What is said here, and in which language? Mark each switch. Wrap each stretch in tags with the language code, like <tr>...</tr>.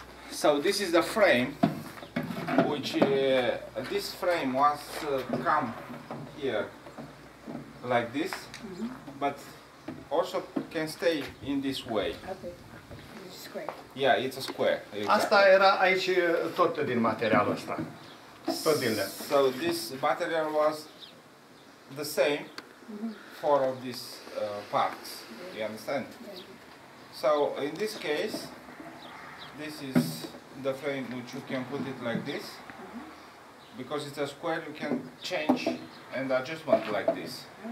<en>So this is the frame, which this frame was come here like this, but also can stay in this way. Okay. It's a square. Yeah, it's a square. Exactly.</en> <ro>Asta era aici tot din materialul ăsta. Tot din lemn.</ro> <en>So this material was the same for all these parts. Yeah. You understand? Yeah. So in this case, this is the frame which you can put it like this. Because it's a square, you can change and adjustment like this.</en>